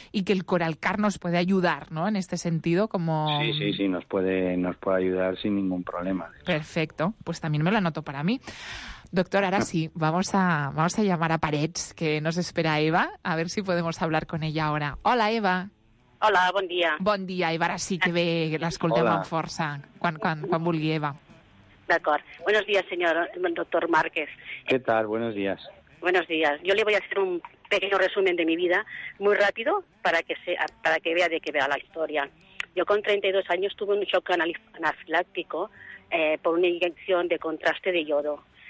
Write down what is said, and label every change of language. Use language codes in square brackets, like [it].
[es] Y que el Coral Card nos puede ayudar, ¿no?, en este sentido, como... Sí, nos puede ayudar sin ningún problema. Perfecto, pues también me lo anoto para mí. Doctor, ahora sí, vamos a llamar a Parets, que nos espera Eva, a ver si podemos hablar con ella ahora. Hola, Eva. [ca] Hola, bon dia. Bon dia, Eva, ara sí que ve, l'escoltem amb força, quan vulgui, Eva. D'acord. [es] Buenos días, señor doctor Márquez. ¿Qué tal? Buenos días. Buenos días. Yo le voy a hacer un pequeño resumen de mi vida, muy rápido, para que vea de qué va la historia. Yo con 32 años tuve un shock anafiláctico por una inyección de contraste de yodo.